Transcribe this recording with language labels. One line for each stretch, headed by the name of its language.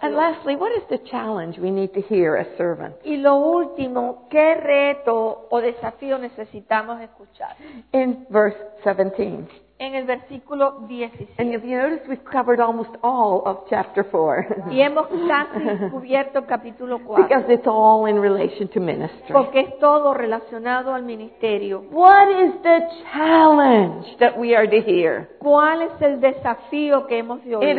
English: And lastly, what is the challenge we need to hear as servants?
Spanish: Y lo último, ¿qué reto o desafío necesitamos escuchar?
English: In verse 17.
Spanish: En el versículo 17.
English: And if you notice, we've covered almost all of chapter 4.
Spanish: Y hemos casi cubierto capítulo 4.
English: Because it's all in relation to ministry.
Spanish: Porque es todo relacionado al ministerio.
English: What is the challenge that we are to hear?
Spanish: ¿Cuál es el desafío que hemos de oír?